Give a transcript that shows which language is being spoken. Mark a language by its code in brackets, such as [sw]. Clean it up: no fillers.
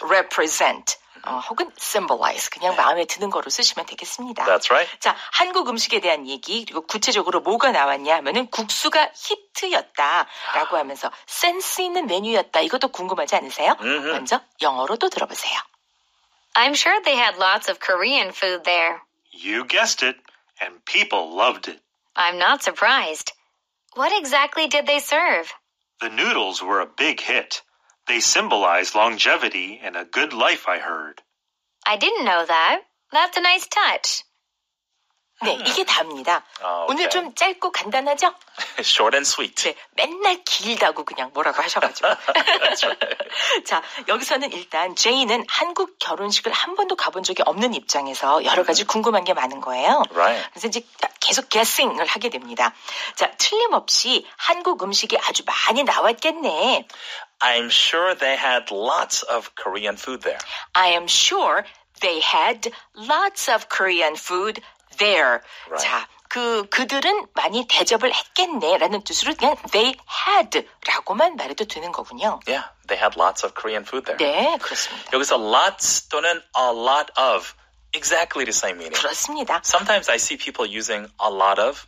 [ko] represent. 혹은 symbolize, 그냥 마음에 드는 거로 쓰시면 되겠습니다. [en] That's right. [ko] 자, 한국 음식에 대한 얘기, 그리고 구체적으로 뭐가 나왔냐 하면은 국수가 히트였다라고 하면서 센스 있는 메뉴였다. 이것도 궁금하지 않으세요? Mm-hmm. 먼저 영어로 또 들어보세요. [en] I'm sure they had lots of Korean food there. You guessed it, and people loved it. I'm not surprised. What exactly did they serve? The noodles were a big hit. They symbolize longevity and a good life, I heard. I didn't know that. That's a nice touch. [ko] 네, 이게 답니다. [en] Oh, okay. [ko] 오늘 좀 짧고 간단하죠? [en] Short and sweet. [ko] 네, 맨날 길다고 그냥 뭐라고 하셔가지고. 자, 여기서는 일단 제인은 한국 결혼식을 한 번도 가본 적이 없는 입장에서 여러 가지 궁금한 게 많은 거예요. [en] Right. [ko] 그래서 이제 계속 guessing을 하게 됩니다. 자, 틀림없이 한국 음식이 아주 많이 나왔겠네. [en] I'm sure they had lots of Korean food there. I am sure they had lots of Korean food there. Right. [ko] 자, 그들은 많이 대접을 했겠네라는 뜻으로 그냥 [en] they had [ko] 라고만 말해도 되는 거군요. [en] Yeah, they had lots of Korean food there. [ko] 네, 그렇습니다. [en] 여기서 lots 또는 a lot of exactly the same meaning. [ko] 그렇습니다. [en] Sometimes I see people using a lot of.